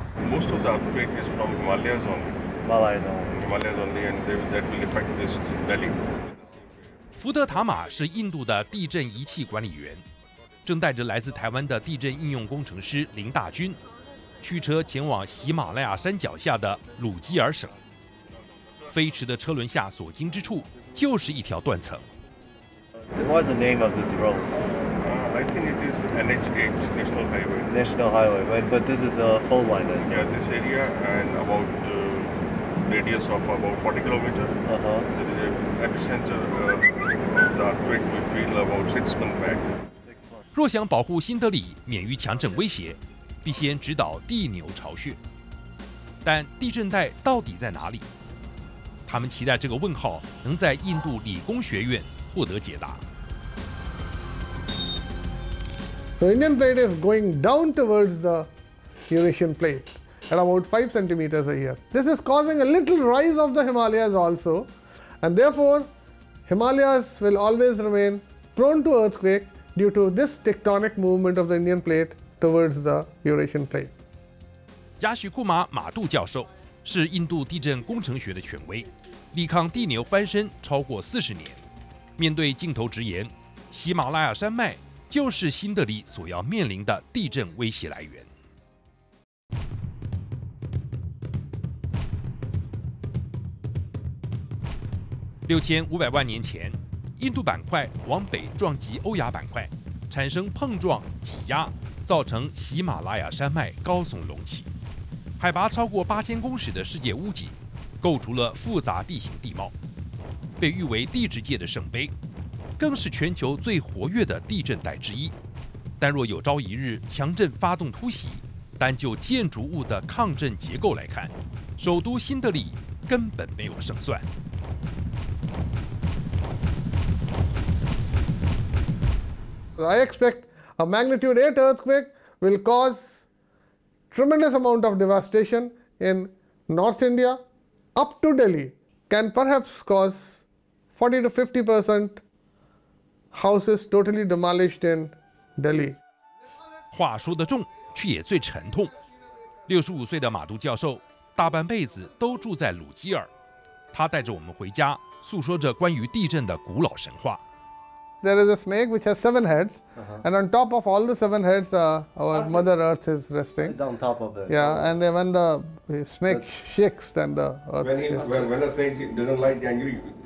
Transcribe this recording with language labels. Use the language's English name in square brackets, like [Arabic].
[English] Most of the earthquake is from Himalayas only. Himalayas only, and that will affect this Delhi. [Chinese] 福德塔玛是印度的地震仪器管理员，正带着来自台湾的地震应用工程师林大军，驱车前往喜马拉雅山脚下的鲁基尔省。飞驰的车轮下所经之处，就是一条断层。 [English] What's the name of this road? I think it is NH8 National Highway. National Highway, right? But this is a fault line, isn't it? Yeah, this area and about radius of about 40 kilometers. There is an epicenter of the earthquake we feel about 6 months back. [Chinese] 若想保护新德里免于强震威胁，必先直捣地牛巢穴。但地震带到底在哪里？他们期待这个问号能在印度理工学院获得解答。 [English] So Indian plate is going down towards the Eurasian plate at about 5 centimeters a year. This is causing a little rise of the Himalayas also, and therefore Himalayas will always remain prone to earthquake due to this tectonic movement of the Indian plate towards the Eurasian plate. [Chinese] 雅许库马·马杜教授是印度地震工程学的权威，力抗地牛翻身超过40年。面对镜头直言，喜马拉雅山脉就是新德里所要面临的地震威胁来源。 6500万年前，印度板块往北撞击欧亚板块，产生碰撞、挤压，造成喜马拉雅山脉高耸隆起。海拔超过8000公尺的世界屋脊，构筑了复杂地形地貌，被誉为地质界的圣杯，更是全球最活跃的地震带之一。但若有朝一日强震发动突袭，单就建筑物的抗震结构来看，首都新德里根本没有胜算。 [English] I expect a magnitude 8 earthquake will cause tremendous amount of devastation in North India up to Delhi, can perhaps cause 40-50% houses totally demolished in Delhi. [Chinese] 话说得重，却也最沉痛。 65岁的马杜教授大半辈子都住在鲁基尔，他带着我们回家，诉说着关于地震的古老神话。 [English] There is a snake which has 7 heads,、uh-huh. and on top of all the 7 heads,、our Mother Earth is resting. It's on top of it. Yeah, and then when the snake shakes, then the earth shakes. When the snake doesn't like angry,